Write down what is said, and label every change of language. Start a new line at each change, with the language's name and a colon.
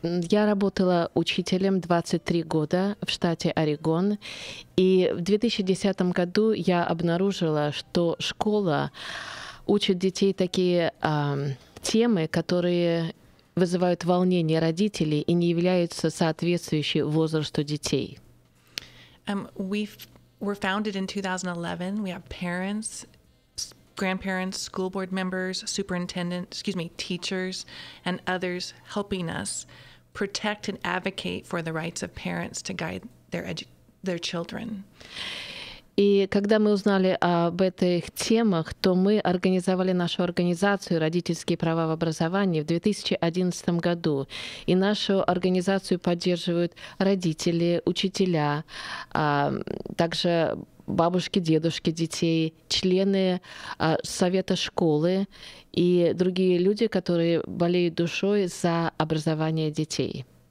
Russian: Я работала учителем 23 года в штате Орегон, и в 2010 году я обнаружила, что школа учит детей такие темы, которые вызывают волнение родителей и не являются соответствующей возрасту детей.
English: We're founded in 2011. We have parents, grandparents, school board members, teachers, and others helping us protect and advocate for the rights of parents to guide their children.
Russian: И когда мы узнали об этих темах, то мы организовали нашу организацию «Родительские права в образовании» в 2011 году. И нашу организацию поддерживают родители, учителя, также бабушки, дедушки детей, члены совета школы и другие люди, которые болеют душой за образование детей.